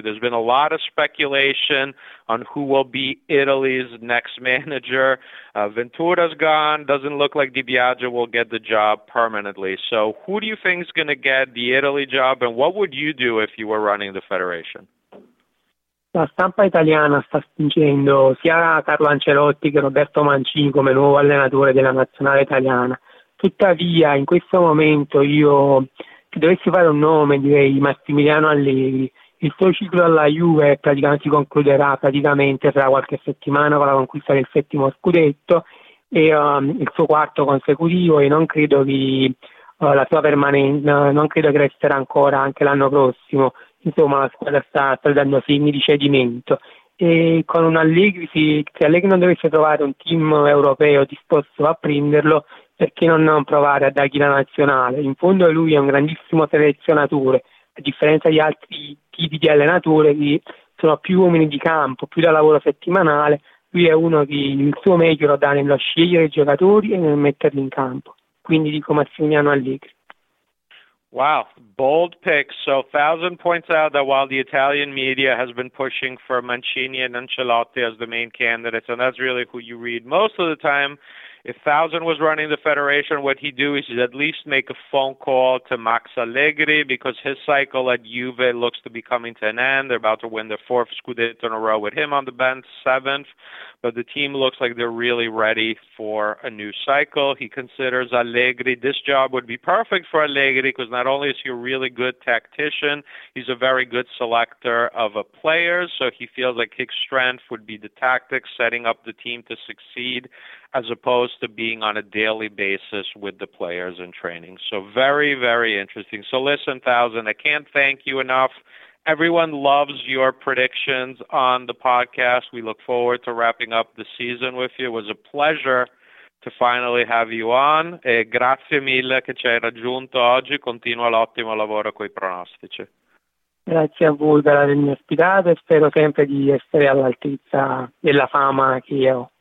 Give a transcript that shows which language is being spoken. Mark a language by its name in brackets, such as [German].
[English] There's been a lot of speculation on who will be Italy's next manager. Ventura's gone. Doesn't look like Di Biagio will get the job permanently. So who do you think is going to get the Italy job, and what would you do if you were running the federation? [Italian] La stampa italiana sta spingendo sia Carlo Ancelotti che Roberto Mancini come nuovo allenatore della nazionale italiana. Tuttavia, in questo momento, io, se dovessi fare un nome, direi Massimiliano Allegri. Il suo ciclo alla Juve si concluderà praticamente tra qualche settimana con la conquista del 7º scudetto e il suo 4º consecutivo, e non credo che la sua permanenza, non credo che resterà ancora anche l'anno prossimo. Insomma, la squadra sta dando segni di cedimento, e con un Allegri, se Allegri non dovesse trovare un team europeo disposto a prenderlo, perché non provare a dargli la nazionale? In fondo lui è un grandissimo selezionatore, a differenza di altri tipi di allenatore che sono più uomini di campo, più da lavoro settimanale. Lui è uno che il suo meglio lo dà nello scegliere i giocatori e nel metterli in campo, quindi dico Massimiliano Allegri. [English] Wow, bold pick. So Fausen points out that while the Italian media has been pushing for Mancini and Ancelotti as the main candidates, and that's really who you read most of the time, If Thousand was running the Federation, what he'd do is he'd at least make a phone call to Max Allegri, because his cycle at Juve looks to be coming to an end. They're about to win their fourth Scudetto in a row with him on the bench, seventh. But the team looks like they're really ready for a new cycle. He considers Allegri, this job would be perfect for Allegri, because not only is he a really good tactician, he's a very good selector of a player. So he feels like his strength would be the tactics, setting up the team to succeed, as opposed to being on a daily basis with the players in training. So very, very interesting. So listen, Thousand, I can't thank you enough. Everyone loves your predictions on the podcast. We look forward to wrapping up the season with you. It was a pleasure to finally have you on. [Italian] E grazie mille che ci hai raggiunto oggi. Continua l'ottimo lavoro coi pronostici. Grazie a voi per avermi ospitato e spero sempre di essere all'altezza della fama che ho.